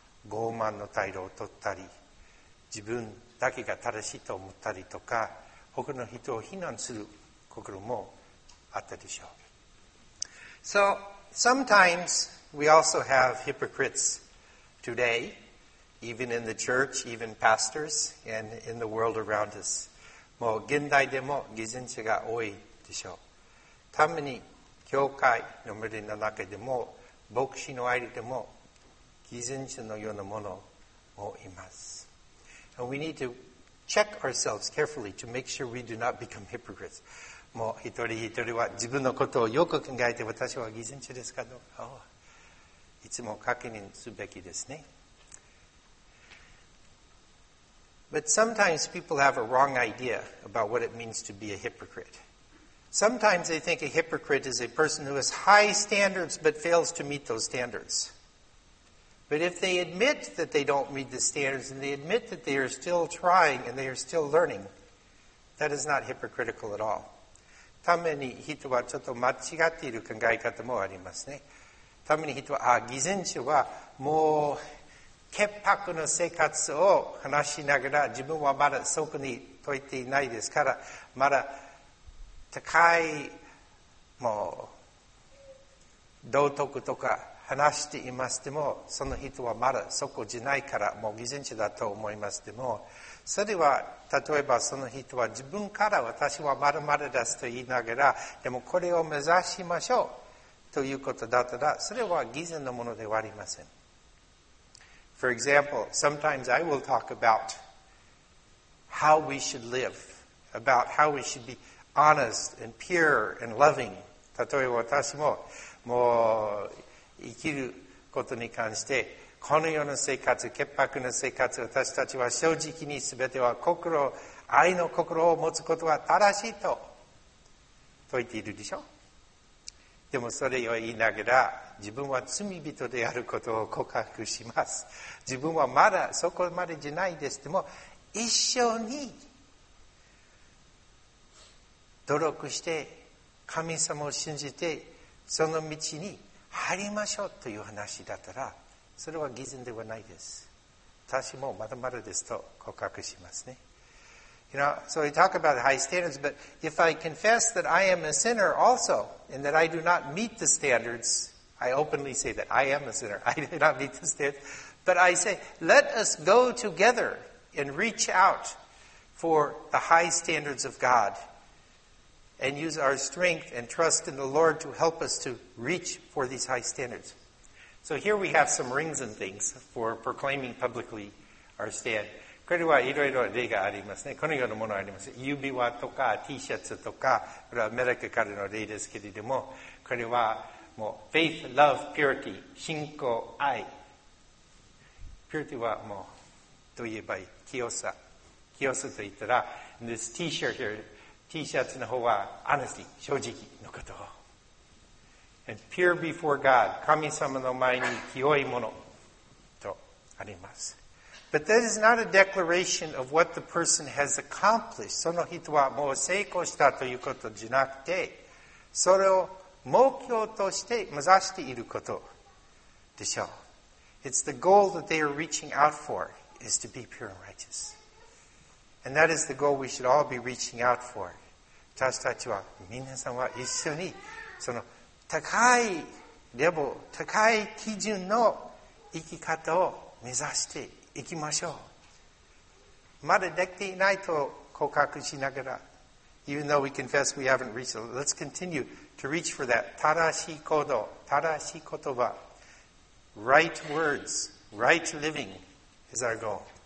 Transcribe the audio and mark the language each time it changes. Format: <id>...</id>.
<ja>傲慢の態度を取ったり、自分だけが正しいと思ったりとか、他の人を非難する心もあったでしょう。</ja> <en>So, sometimes we also have hypocrites today, even in the church, even pastors, and in the world around us.</en> <ja>もう現代でも偽善者が多いでしょう。たまに教会の群れの中でも、牧師の間でも偽善者のようなものもいます。</ja> <en>And we need to check ourselves carefully to make sure we do not become hypocrites.</en> <ja>もう一人一人は自分のことをよく考えて、私は偽善者ですかどうか、いつも確認すべきですね。</ja> <en>But sometimes people have a wrong idea about what it means to be a hypocrite. Sometimes they think a hypocrite is a person who has high standards but fails to meet those standards. But if they admit that they don't meet the standards and they admit that they are still trying and they are still learning, that is not hypocritical at all.</en> <ja>たまに人はちょっと間違っている考え方もありますね。たまに人は、偽善者はもう潔白の生活を話しながら自分はまだそこに解いていないですから、まだ高いもう道徳とか話していますでも、その人はまだそこじゃないから、もう偽善者だと思いますでも、それは、例えばその人は自分から私はまだまだですと言いながら、でもこれを目指しましょうということだったら、それは偽善のものではありません。</ja> <en>For example, sometimes I will talk about how we should live, about how we should be honest and pure and loving.</en> <ja>例えば私も、もう、生きることに関して、この世の生活、潔白の生活、私たちは正直に全ては心、愛の心を持つことは正しいと説いているでしょ。でもそれを言いながら、自分は罪人であることを告白します。自分はまだそこまでじゃないです。でも一生に努力して神様を信じてその道に入りましょうという話だったら、それは偽善ではないです。私もまだまだですと告白しますね。</ja> <en>You know, so we talk about high standards, but if I confess that I am a sinner also, and that I do not meet the standards, I openly say that I am a sinner, I do not meet the standards, but I say, let us go together and reach out for the high standards of God and use our strength and trust in the Lord to help us to reach for these high standards. So here we have some rings and things for proclaiming publicly our stand.</en> <ja>これはいろいろ例がありますね。このようなものがあります。指輪とか T シャツとか、これはアメリカからの例ですけれども、これはもう</ja> <en>Faith, Love, Purity,</en> <ja>信仰、愛。 Purity はもう、と言えば清さ。清さと言ったら、</ja> <en>This T-shirt here,</en> <ja>T シャツの方は Honesty, 正直のことを。</ja> <en>And pure before God,</en> <ja>神様の前に清いものとあります。</ja> <en>But that is not a declaration of what the person has accomplished.</en> <ja>その人はもう成功したということじゃなくて、それを目標として目指していることでしょう。</ja> <en>It's the goal that they are reaching out for is to be pure and righteous. And that is the goal we should all be reaching out for.</en> <ja>私たちは、皆さんは一緒に、その高いレベル、高い基準の生き方を目指して、行きましょう。まだできていないと告白しながら、</ja> <en>Even though we confess we haven't reached it, let's continue to reach for that</en> <ja>正しい行動、正しい言葉、</ja> <en>right words, right living is our goal.</en>